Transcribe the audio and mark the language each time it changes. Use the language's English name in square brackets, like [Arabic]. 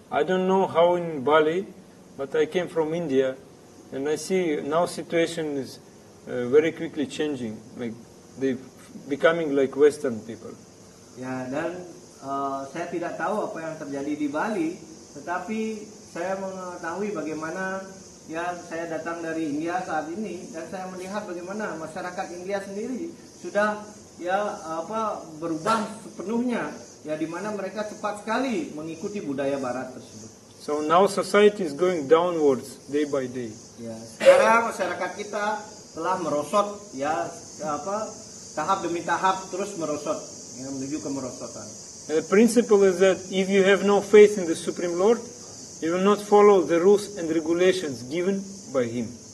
[English] I don't know how in Bali, but I came from India and I see now situation is very quickly changing, like they becoming like Western people. [Indonesian] Ya, dan saya tidak tahu apa yang terjadi di Bali, tetapi saya mengetahui bagaimana ya, saya datang dari India saat ini dan saya melihat bagaimana masyarakat India sendiri sudah ya berubah sepenuhnya ya, di mana mereka cepat sekali mengikuti budaya Barat tersebut. [English] So now society is going downwards day by day. [Indonesian] Ya, sekarang masyarakat kita telah merosot ya tahap demi tahap terus merosot ya, menuju kemerosotan. [English] The principle is that if you have no faith in the Supreme Lord, you will not follow the rules and regulations given by him.